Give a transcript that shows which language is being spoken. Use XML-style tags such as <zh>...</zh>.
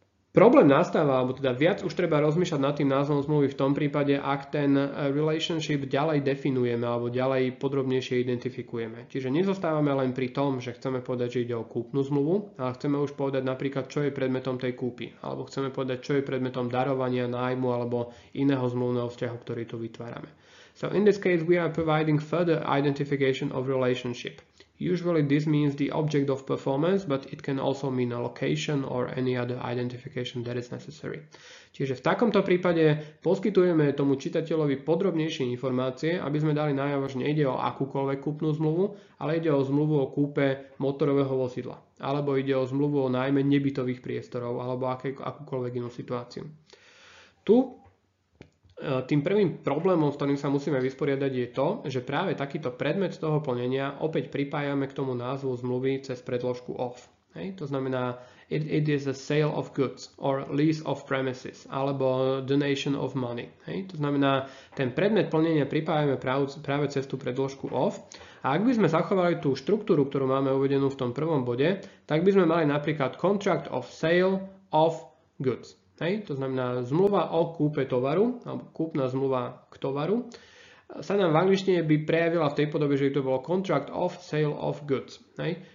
<sk>Problém nastáva, alebo teda viac už treba rozmýšľať nad tým názvom zmluvy v tom prípade, ak ten relationship ďalej definujeme alebo ďalej podrobnejšie identifikujeme. Čiže nezostávame len pri tom, že chceme povedať, že ide o kúpnu zmluvu, ale chceme už povedať napríklad, čo je predmetom tej kúpy, alebo chceme povedať, čo je predmetom darovania, nájmu alebo iného zmluvného vzťahu, ktorý tu vytvárame.</sk> <en>So in this case we are providing further identification of relationship. Usually this means the object of performance, but it can also mean a location or any other identification that is necessary.</en> <sk>Čiže v takomto prípade poskytujeme tomu čitateľovi podrobnejšie informácie, aby sme dali najavo, že nejde o akúkoľvek kúpnu zmluvu, ale ide o zmluvu o kúpe motorového vozidla. Alebo ide o zmluvu o nájme nebytových priestorov, alebo akúkoľvek inú situáciu. Tu tým prvým problémom, s ktorým sa musíme vysporiadať, je to, že práve takýto predmet toho plnenia opäť pripájame k tomu názvu zmluvy cez predložku of. Hej? To znamená,</sk> <en>it is a sale of goods or lease of premises</en> <sk>alebo</sk> <en>donation of money.</en> <sk>Hej? To znamená, ten predmet plnenia pripájame práve cez tú predložku of. A ak by sme zachovali tú štruktúru, ktorú máme uvedenú v tom prvom bode, tak by sme mali napríklad contract of sale of goods. Hej, to znamená, zmluva o kúpe tovaru, alebo kúpna zmluva k tovaru, sa nám v angličtine by prejavila v tej podobe, že by to bolo contract of sale of goods. Hej.</sk>